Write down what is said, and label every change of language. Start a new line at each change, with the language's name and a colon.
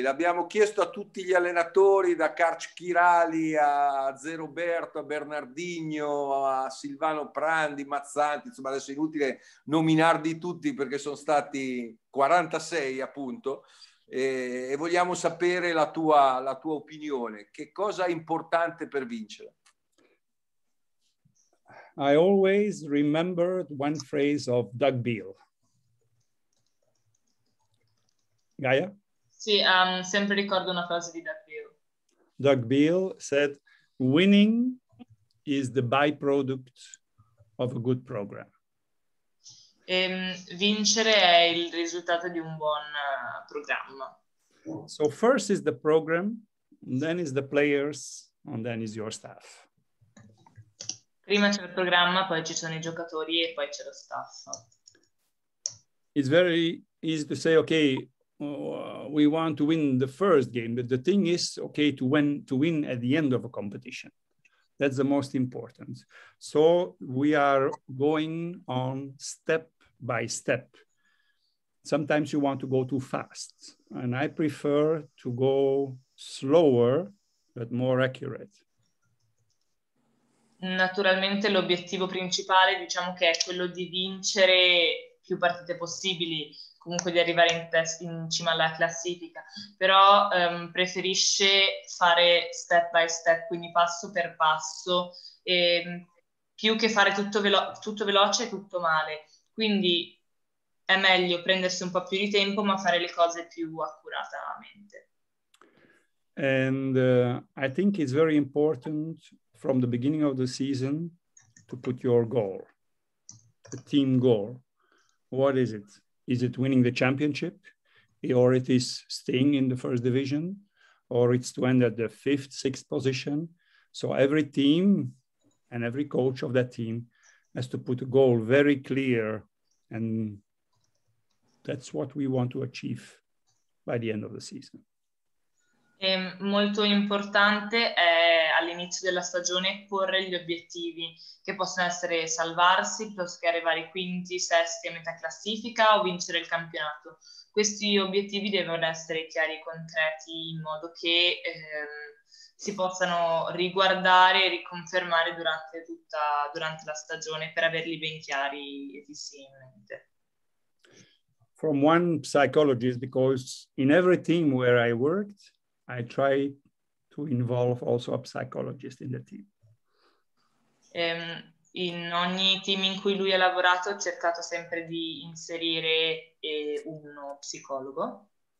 Italian: L'abbiamo chiesto a tutti gli allenatori, da Karch Kirali a Zé Roberto, a Bernardino, a Silvano Prandi, Mazzanti, insomma adesso è inutile nominarli tutti perché sono stati 46 appunto, e vogliamo sapere la tua opinione. Che cosa è importante per vincere?
English: I always remembered one phrase of Doug Beal. Gaia?
Italian: Sì, sempre ricordo una frase di Doug Beal.
English: Doug Beal said, winning is the byproduct of a good program.
Italian: Vincere è il risultato di un buon programma.
English: So first is the program, then is the players, and then is your staff.
Italian: Prima c'è il programma, poi ci sono i giocatori e poi c'è lo staff.
English: It's very easy to say, okay, we want to win the first game, but the thing is, okay, to win at the end of a competition. That's the most important. So we are going on step by step. Sometimes you want to go too fast, and I prefer to go slower, but more accurate.
Italian: Naturalmente l'obiettivo principale, diciamo, che è quello di vincere più partite possibili, comunque di arrivare in cima alla classifica, però preferisce fare
English: step by step,
Italian: quindi passo per passo, e più che fare tutto veloce è tutto male, quindi è meglio prendersi un po' più di tempo ma fare le cose più accuratamente.
English: And I think it's very important from the beginning of the season to put your goal, the team goal. What is it? Is it winning the championship, or it is staying in the first division, or it's to end at the fifth, sixth position? So every team and every coach of that team has to put a goal very clear, and that's what we want to achieve by the end of the season.
Italian: Molto importante è all'inizio della stagione porre gli obiettivi che possono essere salvarsi, piuttosto che arrivare quinti, sesti a metà classifica o vincere il campionato. Questi obiettivi devono essere chiari e concreti in modo che si possano riguardare e riconfermare durante la stagione per averli ben chiari e fissi in mente.
English: From one psychologist, because in every team where I worked, I try to involve also a psychologist in the team.
Italian: In ogni team in cui lui ha lavorato, ho cercato sempre di inserire uno psicologo.